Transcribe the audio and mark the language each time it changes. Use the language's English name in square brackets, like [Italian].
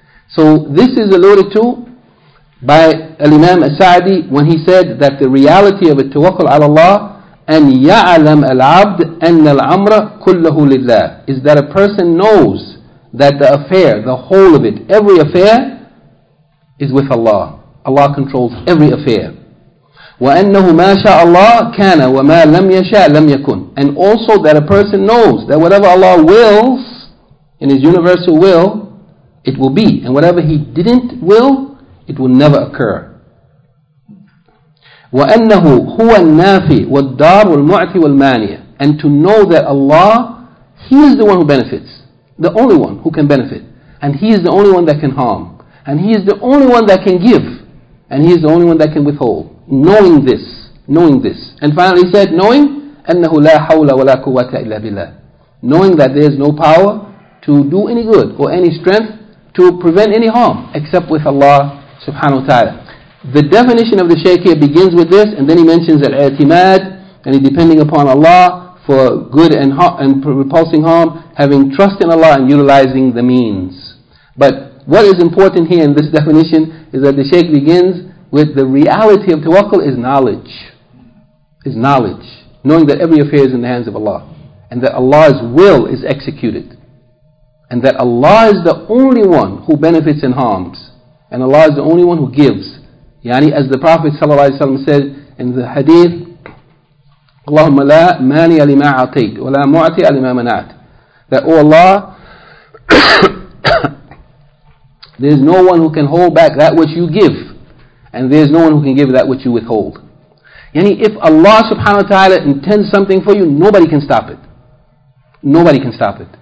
[English] So this is alluded to by Imam Sa'adi when he said that the reality of at-tawakkul ala Allah, [Arabic] أن يعلم العبد أن الأمر كله لله, [English] is that a person knows that the affair, the whole of it, every affair is with Allah. Allah controls every affair. [Arabic] وأنه ما شاء الله كان وما لم يشاء لم يكن. [English] And also that a person knows that whatever Allah wills in His universal will, it will be. And whatever He didn't will, it will never occur. [Arabic] وَأَنَّهُ هُوَ النَّافِي وَالدَّارُ الْمُعْتِي وَالْمَانِيَ. [English] And to know that Allah, He is the one who benefits, the only one who can benefit, and He is the only one that can harm, and He is the only one that can give, and He is the only one that can withhold. Knowing this. And finally he said, knowing [Arabic] أَنَّهُ لَا حَوْلَ وَلَا قُوَّةَ إِلَّا بِاللَّهِ. [English] Knowing that there is no power to do any good or any strength to prevent any harm except with Allah subhanahu wa ta'ala. The definition of the shaykh here begins with this, and then he mentions al-i'timad, and he depending upon Allah for good and repulsing harm, having trust in Allah and utilizing the means. But what is important here in this definition is that the shaykh begins with the reality of tawakkul is knowledge. Is knowledge. Knowing that every affair is in the hands of Allah. And that Allah's will is executed. And that Allah is the only one who benefits and harms. And Allah is the only one who gives. Yani, as the Prophet ﷺ said in the hadith, [Arabic] اللهم لا مانع لما أعطيت ولا معطي لما منعت. [English] That, oh Allah, there is no one who can hold back that which you give, and there is no one who can give that which you withhold. Yani, if Allah subhanahu wa ta'ala intends something for you, nobody can stop it. Nobody can stop it.